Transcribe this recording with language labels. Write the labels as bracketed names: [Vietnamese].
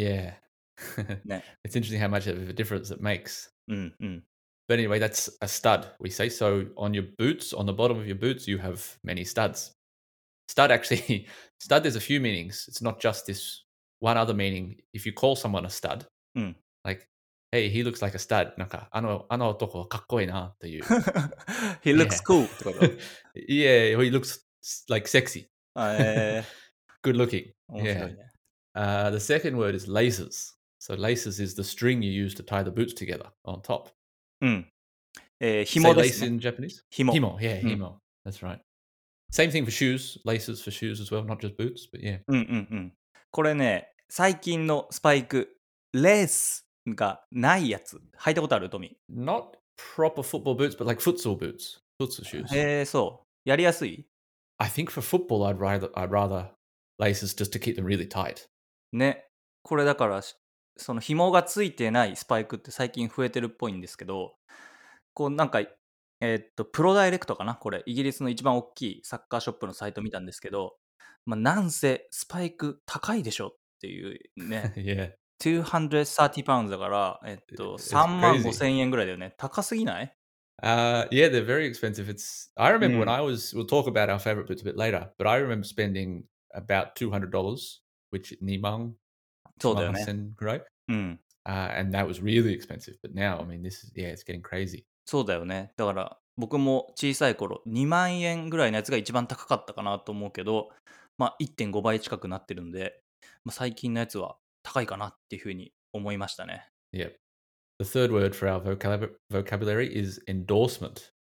[English] Yeah 、 [Japanese] ね、 [English] It's interesting how much of a difference it makes. [Japanese] うんうん。 [English] But anyway, that's a stud, we say. So on your boots, on the bottom of your boots, you have many studs. Stud actually, stud, there's a few meanings. It's not just this one other meaning. If you call someone a stud,、 [Japanese] うん、 [English] like, hey, he looks like a stud. [Japanese] なんかあの男はかっこいいなっていう。 [English] He looks cool. yeah, he looks like sexy. Good looking. [Japanese] 面白いね。 [English] The second word is laces. So laces is the string you use to tie the boots together on top. [Japanese] うん。紐ですね。 [English] Say lace in Japanese? [Japanese] 紐。 [English] 紐、yeah, 紐、うん。That's right. Same thing for shoes, laces for shoes as well, not just boots, but yeah. [Japanese] うんうんうん。これね、最近のスパイク、レースがないやつ。履いたことある、トミー。 [English] Not proper football boots, but like futsal boots. Futsal shoes. [Japanese] そう。やりやすい？ [English] I think for football, I'd rather laces just to keep them really tight. [Japanese] ね。これだから、その紐がついてないスパイクって最近増えてるっぽいんですけど、こうなんか、プロダイレクトかな、これイギリスの一番大きいサッカーショップのサイト見たんですけど、まあ、なんせスパイク高いでしょっていうね、230 pounds だから、3万5000円ぐらいだよね、高すぎない？ [English] Yeah, they're very expensive. It's, I remember when I was, we'll talk about our favorite boots a bit later, but I remember spending about $200, which Nimang, right? And that was really expensive. But now, I mean, this is, yeah, it's getting crazy. [Japanese] そうだよね。だから僕も小さい頃2万円ぐらいのやつが一番高かったかなと思うけど、まあ 1.5 倍近くなってるんで、まあ、最近のやつは高いかなっていうふうに思いましたね。 [English] Yep. The third word for our vocabulary is endorsement.